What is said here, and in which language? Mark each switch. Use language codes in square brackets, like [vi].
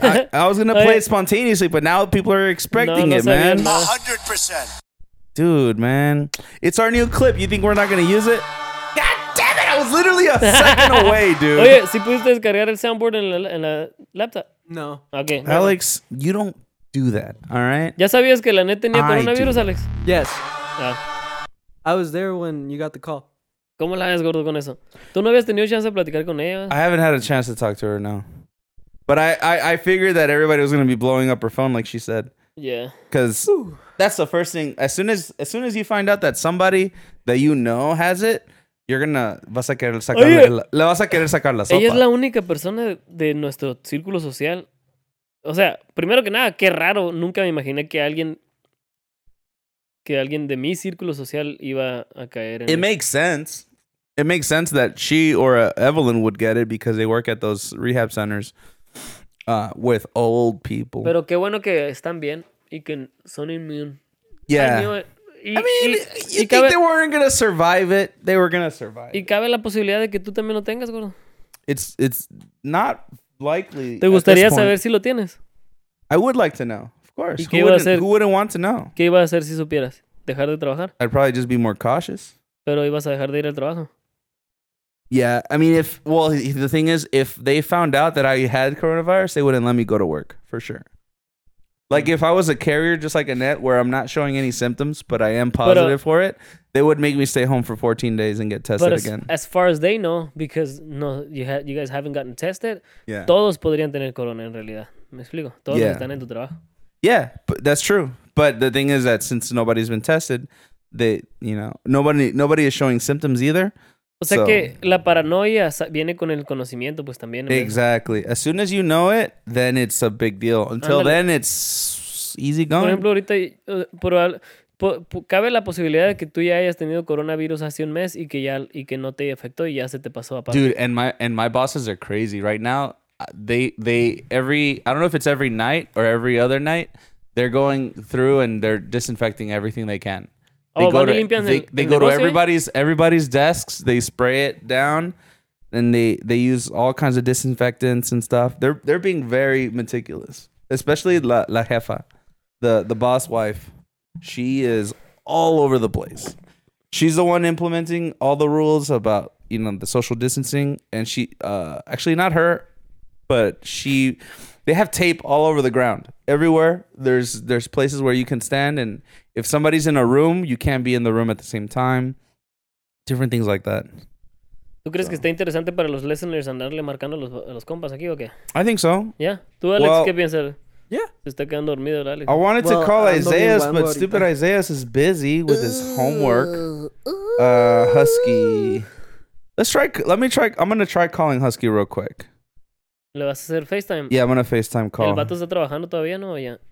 [en] I was going to play it spontaneously, but now people are expecting it, man. 100%. Dude, man. It's our new clip. You think we're not going to use it? God damn it. I was literally a second away, dude. [es] Oye, ¿sí pudiste descargar el soundboard en la laptop? [en] No. Okay. Alex, no. You don't do that, all right? [es] ¿Ya sabías que la Anette tenía coronavirus, Alex? [en] Yes. I was there when you got the call. [es] ¿Cómo la ves, gordo, con eso? ¿Tú no habías tenido chance de platicar con ella? [en] I haven't had a chance to talk to her, no. But I figured that everybody was going to be blowing up her phone, like she said. Yeah. Because that's the first thing. As soon as you find out that somebody that you know has it, you're going to... [es] Vas a querer sacarle, le vas a querer sacar la sopa. Ella es la única persona de nuestro círculo social. O sea, primero que nada, qué raro. Nunca me imaginé que alguien... Que alguien de mi círculo social iba a caer en [en] it. Makes sense. It makes sense that she or Evelyn would get it because they work at those rehab centers with old people. [es] Pero qué bueno que están bien y que son inmune. [en] Yeah. They weren't going to survive it. They were going to survive. [es] Y cabe la posibilidad de que tú también lo tengas, gordo. [en] It's not likely. [es] ¿Te gustaría saber si lo tienes? [en] I would like to know. Of course. Who wouldn't want to know? [es] ¿Qué iba a hacer si supieras? ¿Dejar de trabajar? [en] I'd probably just be more cautious. [es] ¿Pero ibas a dejar de ir al trabajo? [en] Yeah, I mean, the thing is, if they found out that I had coronavirus, they wouldn't let me go to work, for sure. Like, if I was a carrier, just like Anette, where I'm not showing any symptoms, but I am positive for it, they would make me stay home for 14 days and get tested again. As far as they know, because no, you guys haven't gotten tested, yeah. [es] Todos podrían tener corona, en realidad. ¿Me explico? Todos están en tu trabajo. [en] Yeah, but that's true. But the thing is that since nobody's been tested, nobody is showing symptoms either. [es] O sea que la paranoia viene con el conocimiento, pues también. [en] Exactly. As soon as you know it, then it's a big deal. Until then, it's easy going. [es] Por ejemplo, ahorita cabe la posibilidad de que tú ya hayas tenido coronavirus hace un mes y que no te afectó y ya se te pasó a parar. [en] Dude, and my bosses are crazy right now. They I don't know if it's every night or every other night, they're going through and they're disinfecting everything they can. They go to everybody's desks, they spray it down, and they use all kinds of disinfectants and stuff. They're being very meticulous, especially [es] la jefa, [en] the boss wife. She is all over the place. She's the one implementing all the rules about, you know, the social distancing, and she actually not her. But they have tape all over the ground. Everywhere, there's places where you can stand. And if somebody's in a room, you can't be in the room at the same time. Different things like that. [es] ¿Tú crees que está interesante para los listeners andarle marcando a los compas aquí o qué? [en] I think so. Yeah. [es] ¿Tú, Alex, qué piensas? [en] Yeah. [es] Se está quedando dormido, Alex. [en] I wanted to call Isaiah, but stupid Isaiah is busy with his homework. Husky. I'm going to try calling Husky real quick. [es] ¿Le vas a hacer FaceTime? [en] Yeah, I'm going to FaceTime call. [es] ¿El vato está trabajando todavía, no? ¿O ya